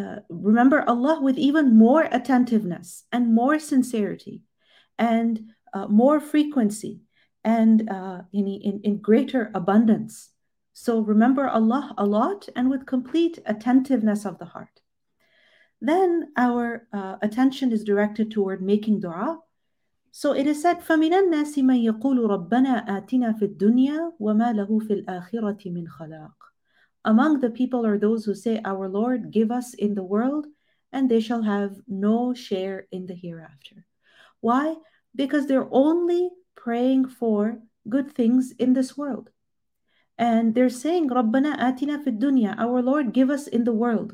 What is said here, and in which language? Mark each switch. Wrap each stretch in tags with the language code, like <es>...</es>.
<en>Remember Allah with even more attentiveness and more sincerity and more frequency and in greater abundance. So remember Allah a lot and with complete attentiveness of the heart. Then our attention is directed toward making dua.</en> <ar>So it is said, فَمِنَ النَّاسِ مَنْ يَقُولُ رَبَّنَا آتِنَا فِي الدُّنْيَا وَمَا لَهُ فِي الْآخِرَةِ مِنْ خَلَاقٍ.</ar> <en>Among the people are those who say, our Lord, give us in the world, and they shall have no share in the hereafter. Why? Because they're only praying for good things in this world. And they're saying, رَبَّنَا آتِنَا فِي الدُّنْيَا, our Lord, give us in the world.</en>